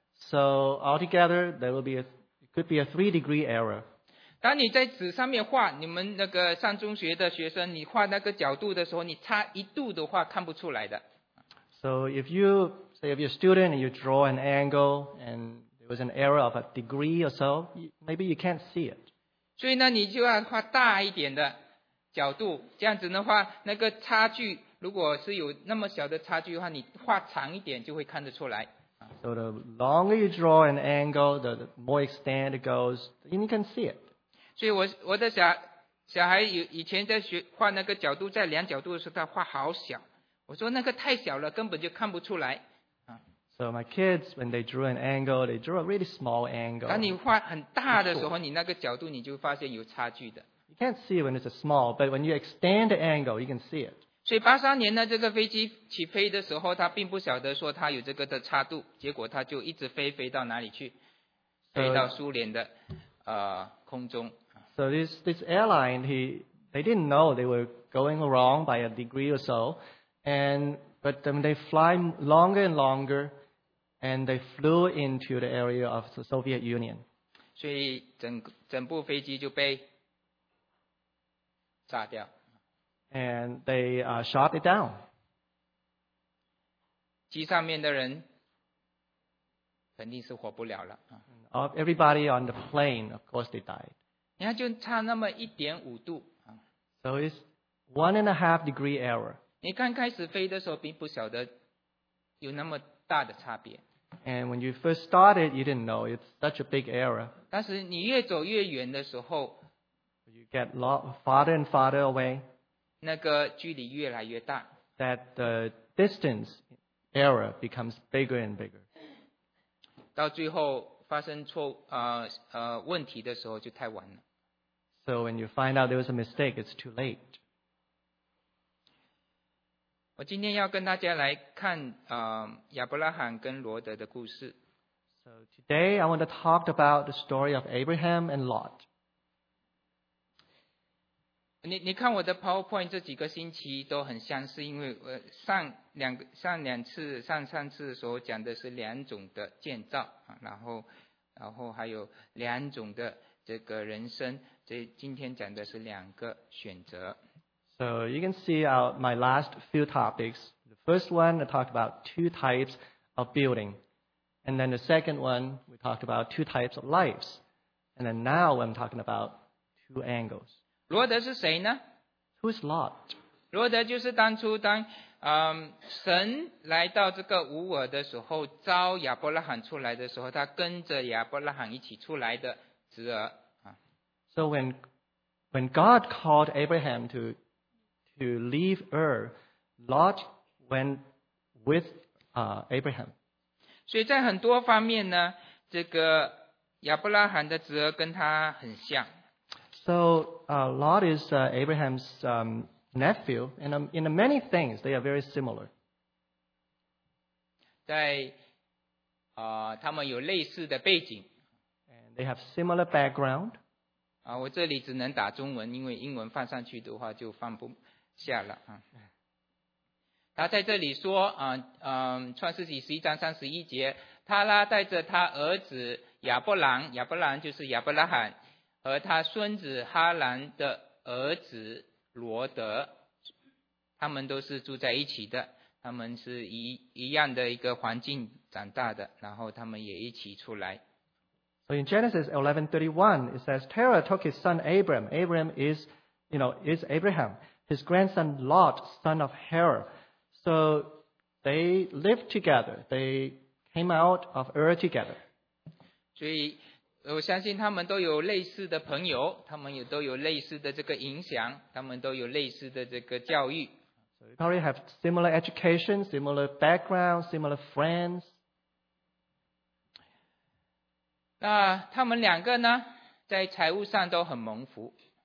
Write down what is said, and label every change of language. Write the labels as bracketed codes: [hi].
[en] So altogether, there will be could be a 3 degree error. [zh] 当你在纸上面画，你们那个上中学的学生，你画那个角度的时候，你差一度的话，看不出来的。 [en] So if you say if you're a student and you draw an angle and there was an error of a degree or so, maybe you can't see it. [zh] 所以呢，你就要画大一点的角度，这样子的话，那个差距如果是有那么小的差距的话，你画长一点就会看得出来。 [en] So the longer you draw an angle, the more extent it goes, then you can see it. [zh] 所以我的小孩以前在学画那个角度，在量角度的时候，他画好小。我说那个太小了，根本就看不出来。 [en] So my kids, when they drew an angle, they drew a really small angle. [zh] 当你画很大的时候，你那个角度你就发现有差距的。 [en] You can't see when it's a small, but when you extend the angle, you can see it. [zh] 所以83年呢，这个飞机起飞的时候，他并不晓得说他有这个的差度，结果他就一直飞到哪里去？飞到苏联的空中。 [en] So this airline, they didn't know they were going wrong by a degree or so. But then they fly longer and longer, and they flew into the area of the Soviet Union. [zh] 所以整部飞机就被炸掉。 [en] And they shot it down. [zh] 机上面的人肯定是活不了了。 [en] Everybody on the plane, of course, they died. [zh] 你看，就差那么1.5度。 [en] So it's 1.5 degree error. [zh] 你刚开始飞的时候并不晓得有那么大的差别。 [en] And when you first started, you didn't know it's such a big error. [zh] 但是你越走越远的时候 [en] You get farther and farther away. [zh] 那个距离越来越大。 [en] That the distance error becomes bigger and bigger. [zh] 到最后发生问题的时候就太晚了。 [en] So when you find out there was a mistake, it's too late. [zh] 我今天要跟大家来看亚伯拉罕跟罗德的故事。 [en] So today I want to talk about the story of Abraham and Lot. [zh] 你看我的 PowerPoint 这几个星期都很相似，因为上两次所讲的是两种的建造，然后还有两种的这个人生，这今天讲的是两个选择。 [en] So you can see out my last few topics. The first one, I talked about two types of building. And then the second one, we talked about two types of lives. And then now I'm talking about two angles. [zh] 罗德是谁呢? [en] Who's Lot? [zh] 罗德就是当初当神来到这个乌尔的时候，招亚伯拉罕出来的时候，他跟着亚伯拉罕一起出来的侄儿。 [en] So when God called Abraham to leave Ur, Lot went with Abraham. [zh] 所以在很多方面呢，这个亚伯拉罕的侄儿跟他很像。 [en] So Lot is Abraham's nephew, and in many things they are very similar. [zh] 在他们有类似的背景。 [en] And they have similar background. [zh] 我这里只能打中文，因为英文放上去的话就放不。下了他在这里说创世纪十一章三十一节，他拉带着他儿子亚伯兰，亚伯兰就是亚伯拉罕，和他孙子哈兰的儿子罗德，他们都是住在一起的，他们是一样的一个环境长大的，然后他们也一起出来。 [en] So in Genesis 11:31 it says Terah took his son Abram. Abram is, you know, is Abraham. His grandson Lot, son of Haran. So they lived together. They came out of Ur together. [zh] 所以我相信他们都有类似的朋友，他们也都有类似的这个影响，他们都有类似的这个教育。 [en] So they probably have similar education, similar background, similar friends. [zh] 那他们两个呢，在财务上都很蒙福。